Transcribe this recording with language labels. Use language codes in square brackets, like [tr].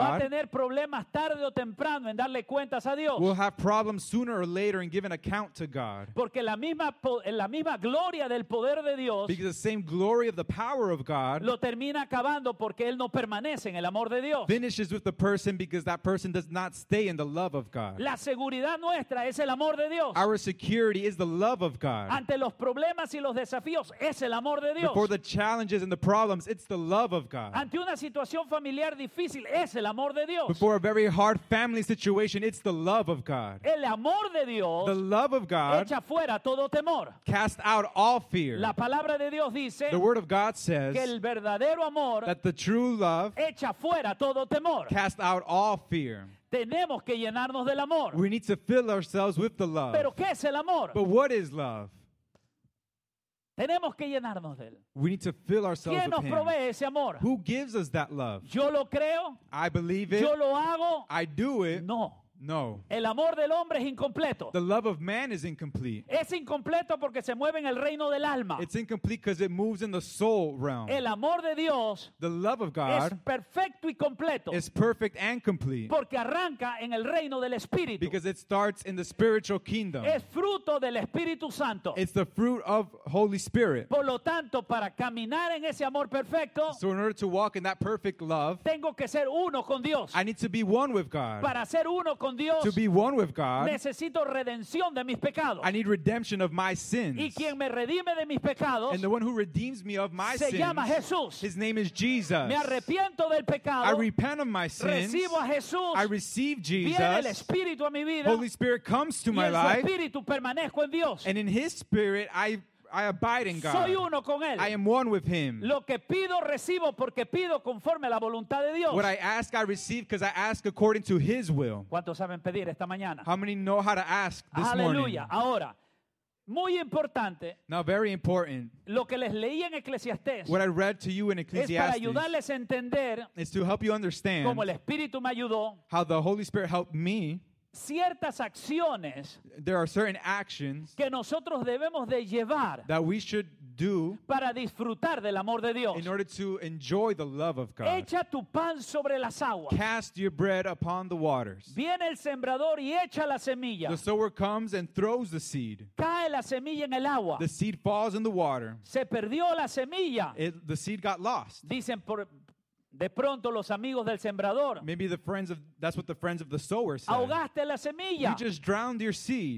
[es] va a tener problemas tarde o temprano en darle cuentas a Dios. [en] Will have problems sooner or later in giving account to God. [es] Porque la misma gloria del poder de Dios. [en] Because the same glory of the power of God [es] lo termina acabando porque él no permanece en el amor de Dios. [en] Finishes with the person because that person does not stay in the love of God. [es] La seguridad nuestra es el amor de Dios. [en] Our security is the love of God. [es] Ante los problemas y los desafíos es el amor de Dios. [en] Before the challenges and the problems, it's the love of God. [es] Ante una situación familiar difícil es el amor de Dios. [en] Before a very hard family situation, it's the love of God. [es] El amor de Dios, [en] the love of God, [es] echa fuera todo temor. [en] Cast out all fear. [es] La palabra de Dios dice, [en] the word of God says, [es] que el verdadero amor, [en] that the true love, [es] echa fuera todo temor. [en] Cast out all fear. [es] Tenemos que llenarnos del amor. [en] We need to fill ourselves with the love. [es] Pero ¿qué es el amor? [en] But what is love? [es] Tenemos que llenarnos de él. [en] We need to fill ourselves with him. [es] ¿Quién nos provee ese amor? [en] Who gives us that love? [es] Yo lo creo. [en] I believe it. [es] Yo lo hago. [en] I do it. [es] No. [en] No. [es] El amor del hombre es incompleto. [en] The love of man is incomplete. [es] Es incompleto porque se mueve en el reino del alma. [en] It's incomplete because it moves in the soul realm. [es] El amor de Dios, [en] the love of God, [es] es perfecto y completo. [en] Is perfect and complete. [es] Porque arranca en el reino del espíritu. [en] Because it starts in the spiritual kingdom. [es] Es fruto del Espíritu Santo. [en] It's the fruit of Holy Spirit. [es] Por lo tanto, para caminar en ese amor perfecto, [en] so in order to walk in that perfect love, [es] tengo que ser uno con Dios. [en] I need to be one with God. [es] Para ser uno con con Dios. [en] To be one with God. [es] Necesito redención de mis pecados. [en] I need redemption of my sins. [es] Y quien me redime de mis pecados. [en] And the one who redeems me of my [es] se [en] sins. [es] Se llama Jesús. [en] His name is Jesus. [es] Me arrepiento del pecado. [en] I repent of my sins. [es] Recibo a Jesús. [en] I receive Jesus. [es] Viene el Espíritu a mi vida. [en] Holy Spirit comes to my life. [es] Y en su Espíritu permanezco en Dios. [en] And in His Spirit I abide in God. [es] Soy uno con él. [en] I am one with him. [es] Lo que pido, recibo porque pido conforme a la voluntad de Dios. [en] What I ask, I receive because I ask according to his will. [es] ¿Cuántos saben pedir esta mañana? [en] How many know how to ask this Hallelujah. Morning? [es] Ahora, muy importante. [en] Now, very important. [es] Lo que les leí en Eclesiastés. [en] What I read to you in Ecclesiastes. [es] Es para ayudarles a entender. [en] Is to help you understand. [es] Cómo el Espíritu me ayudó. [en] How the Holy Spirit helped me. [es] Ciertas acciones, [en] there are certain actions [es] que nosotros debemos de llevar [en] that we should do [es] para disfrutar del amor de Dios. [en] In order to enjoy the love of God. [es] Echa tu pan sobre las aguas. [en] Cast your bread upon the waters. [es] Viene el sembrador y echa la semilla. [en] The sower comes and throws the seed. [es] Cae la semilla en el agua. [en] The seed falls in the water. [es] Se perdió la semilla. [en] The seed got lost. [es] Dicen por de pronto los amigos del sembrador. [en] Maybe the friends of, that's what the friends of the sower said. [es] Ahogaste la semilla. [en] You just drowned your seed.